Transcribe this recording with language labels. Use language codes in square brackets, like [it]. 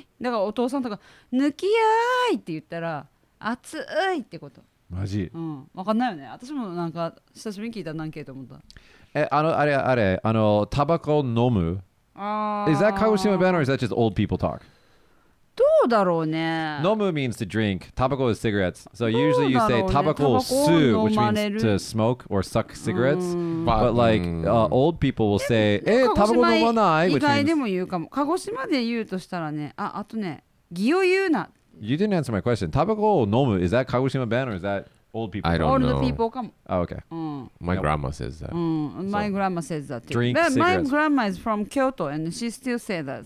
[ja] だからお父さんとか、抜きやーいって言ったら、熱いってこと。マジ？うん、わかんないよね。私もなんか久しぶりに聞いたら何系と思った。あのタバコ飲む。ああ。 [en] Is that 鹿児島弁or is that just old people talk? [ja] どうだろうね。 [en] 飲む means to drink. タバコ is cigarettes. So usually you say [ja] タバコ吸う、 [en] which means to smoke or suck cigarettes. But like old people will say、 [ja] タバコ飲まない、 [en] which means [ja] 以外でも言うかも。鹿児島で言うとしたらね、あとね、義を言うな。 [en] You didn't answer my question. [ja] Tabako o nomu, [en] is that Kagoshima ban or is that old people? I don't old know. Old people come. Oh, okay. My grandma says that. My grandma says that too. Drink cigarettes. My grandma is from Kyoto and she still says that.